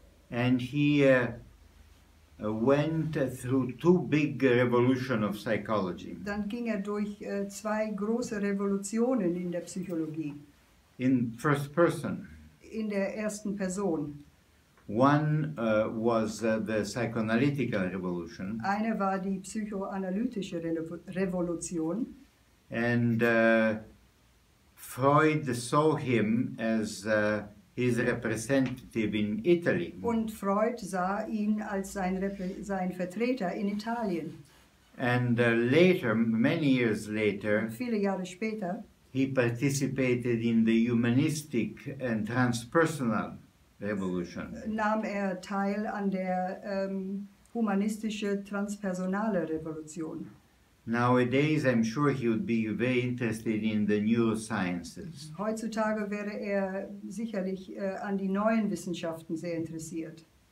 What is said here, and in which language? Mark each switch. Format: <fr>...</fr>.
<en>And he went through two big revolutions of psychology.</en> <de>Dann ging er durch zwei große Revolutionen in der Psychologie.</de> <en>In first person.</en> <de>In der ersten Person.</de> <en>One was the psychoanalytical revolution.</en> <de>Eine war die psychoanalytische Revolution.</de> <en>And Freud saw him as his representative in Italy.</en> <de>Und Freud sah ihn als sein Vertreter in Italien.</de> <en>And later, many years later,</en> <de>viele Jahre später,</de> <en>he participated in the humanistic and transpersonal revolution.</en> <de>Nahm er teil an der humanistische transpersonale Revolution.</de> <en>Nowadays, I'm sure he would be very interested in the neurosciences.</en> <de>Heutzutage wäre er sicherlich an die neuen Wissenschaften sehr interessiert.</de>